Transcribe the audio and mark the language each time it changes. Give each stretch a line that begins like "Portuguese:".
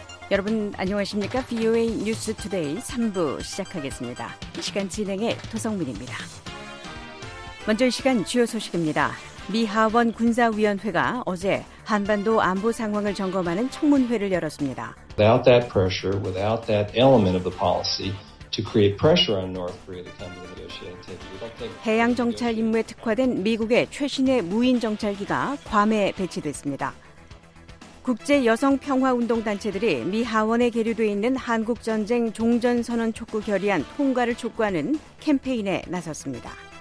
Korean: 여러분 안녕하십니까? VOA 뉴스 투데이 3부 시작하겠습니다. 이 시간 진행의 도성민입니다. 먼저 이 시간 주요 소식입니다. 미 하원 군사위원회가 어제 한반도 안보 상황을 점검하는 청문회를 열었습니다.
English: Without that pressure, without that element of the policy to create pressure on North Korea to come to the negotiating table.
Korean: 해양 정찰 임무에 특화된 미국의 최신의 무인 정찰기가 괌에 배치됐습니다. 국제 여성 평화 운동 단체들이 미 하원에 계류돼 있는 한국 전쟁 종전 선언 촉구 결의안 통과를 촉구하는 캠페인에 나섰습니다.